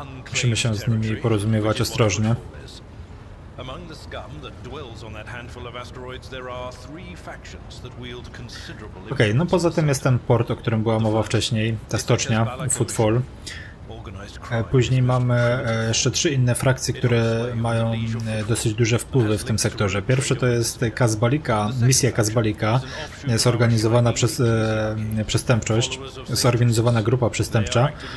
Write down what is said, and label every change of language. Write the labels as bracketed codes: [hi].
[pl] musimy się z nimi porozumiewać ostrożnie. [en] Among the scum that dwells on that handful of asteroids, there are three factions that wield considerable influence. [pl] Okej, no poza tym jest ten port, o którym była mowa wcześniej, ta stocznia, Footfall. Później mamy jeszcze trzy inne frakcje, które mają dosyć duże wpływy w tym sektorze. Pierwsze to jest Kazbalika, misja Kazbalika, zorganizowana przez przestępczość, zorganizowana grupa przestępcza.